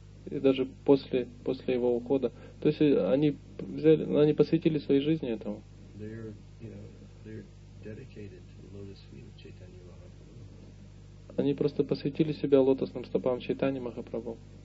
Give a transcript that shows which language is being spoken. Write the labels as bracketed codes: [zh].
[ru] И даже после его ухода, то есть они посвятили свои жизни этому. [en] They're, you know, they're dedicated to the lotus feet of Chaitanya Mahaprabhu. [ru] Они просто посвятили себя лотосным стопам Чайтани Махапрабху.